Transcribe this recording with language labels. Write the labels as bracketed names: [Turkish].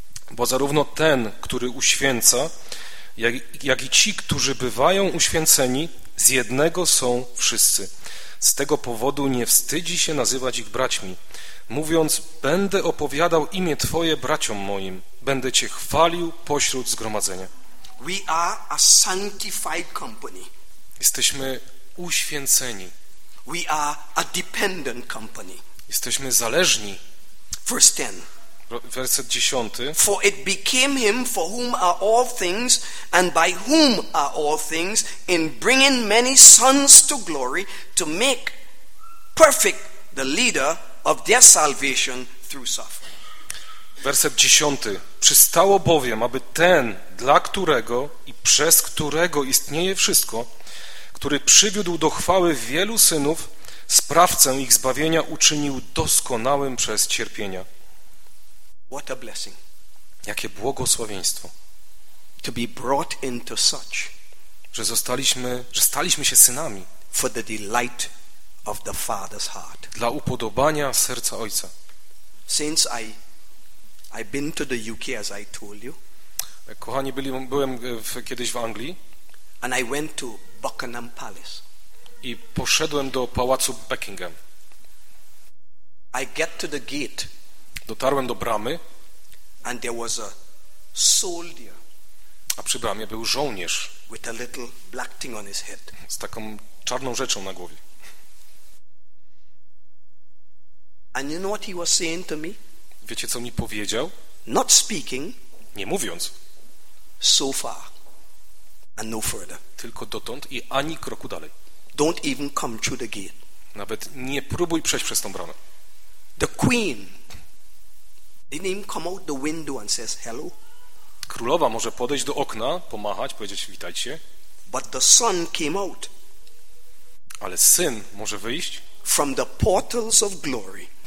[Polish] Bo zarówno ten, który uświęca, jak i ci, którzy bywają uświęceni, z jednego są wszyscy. Z tego powodu nie wstydzi się nazywać ich braćmi, mówiąc: będę opowiadał imię Twoje braciom moim, będę Cię chwalił pośród zgromadzenia. [English] We are a sanctified company. [Polish] Jesteśmy uświęceni. [English] We are a dependent company. [Polish] Jesteśmy zależni. [English] Verse 10. [Polish] Werset 10. [English] For it became him for whom are all things and by whom are all things in bringing many sons to glory to make perfect the leader of their salvation through suffering. [Polish] Werset 10. Przystało bowiem, aby ten, dla którego i przez którego istnieje wszystko, który przywiódł do chwały wielu synów, sprawcę ich zbawienia uczynił doskonałym przez cierpienia. [English] What a blessing. [Polish] Jakie błogosławieństwo. [English] To be brought into such. [Polish] Że zostaliśmy, że staliśmy się synami. [English] For the delight of the Father's heart. [Polish] Dla upodobania serca Ojca. [English] Since I've been to the UK, as I told you. [Polish] Kochani, byłem kiedyś w Anglii. [English] And I went to Buckingham Palace. [Polish] I poszedłem do pałacu Buckingham. [English] I get to the gate. [Polish] Dotarłem do bramy. [English] And there was a soldier. [Polish] A przy bramie był żołnierz. [English] With a little black thing on his head. [Polish] Z taką czarną rzeczą na głowie. [English] And you know what he was saying to me? [Polish] Wiecie, co mi powiedział? [English] Not speaking. [Polish] Nie mówiąc. [English] So far. And no further. [Polish] Tylko dotąd i ani kroku dalej. [English] Don't even come through the gate. [Polish] Nawet nie próbuj przejść przez tą bramę. [English] The queen didn't even come out the window and says hello. [Polish] Królowa może podejść do okna, pomachać, powiedzieć: witajcie. [English] But the son came out. [Polish] Ale syn może wyjść. [English] From the portals of glory.